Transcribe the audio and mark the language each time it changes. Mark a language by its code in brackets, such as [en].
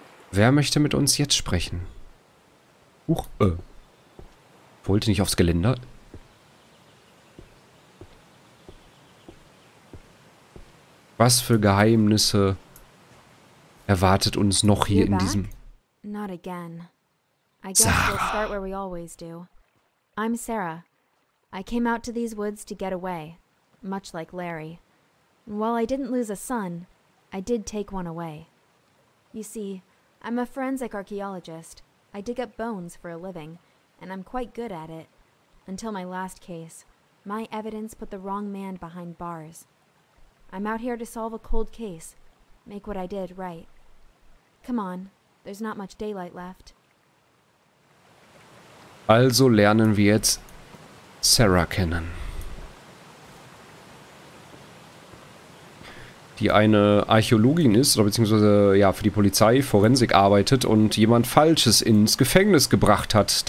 [de] Wer möchte mit uns jetzt sprechen? Huch, Wollte nicht aufs Geländer... Was für Geheimnisse erwartet uns noch hier in diesem... [en] Not again. I guess we'll start where we always do. I'm Sarah. I came out to these woods to get away, much like Larry. While I didn't lose a son, I did take one away. You see, I'm a forensic archaeologist. I dig up bones for a living, and I'm quite good at it. Until my last case, my evidence put the wrong man behind bars. I'm out here to solve a cold case, make what I did right. Come on, there's not much daylight left. [de] Also lernen wir jetzt Sarah kennen. Die eine Archäologin ist, oder beziehungsweise ja, für die Polizei Forensik arbeitet und jemand Falsches ins Gefängnis gebracht hat.